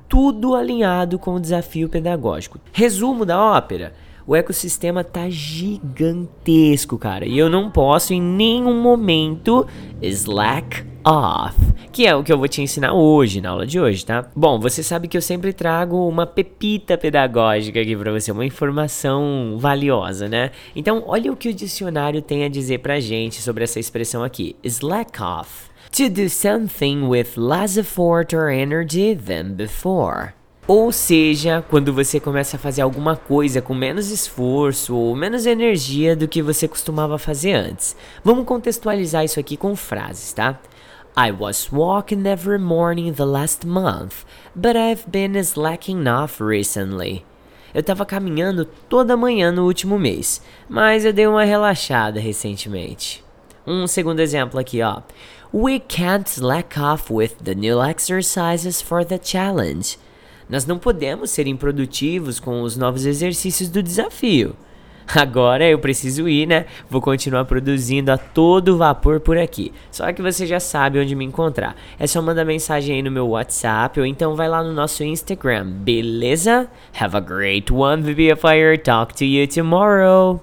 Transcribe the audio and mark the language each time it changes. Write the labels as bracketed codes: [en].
[pt] Tudo alinhado com o desafio pedagógico. Resumo da ópera: o ecossistema tá gigantesco, cara, e eu não posso em nenhum momento slack off, que é o que eu vou te ensinar hoje, na aula de hoje, tá? Bom, você sabe que eu sempre trago uma pepita pedagógica aqui pra você, uma informação valiosa, né? Então, olha o que o dicionário tem a dizer pra gente sobre essa expressão aqui: slack off. [en] To do something with less effort or energy than before. [pt] Ou seja, quando você começa a fazer alguma coisa com menos esforço ou menos energia do que você costumava fazer antes. Vamos contextualizar isso aqui com frases, tá? [en] I was walking every morning the last month, but I've been slacking off recently. [pt] Eu tava caminhando toda manhã no último mês, mas eu dei uma relaxada recentemente. Um segundo exemplo aqui, ó. [en] We can't slack off with the new exercises for the challenge. [pt] Nós não podemos ser improdutivos com os novos exercícios do desafio. Agora eu preciso ir, né? Vou continuar produzindo a todo vapor por aqui. Só que você já sabe onde me encontrar. É só mandar mensagem aí no meu WhatsApp ou então vai lá no nosso Instagram, beleza? [en] Have a great one, VPFire. Talk to you tomorrow.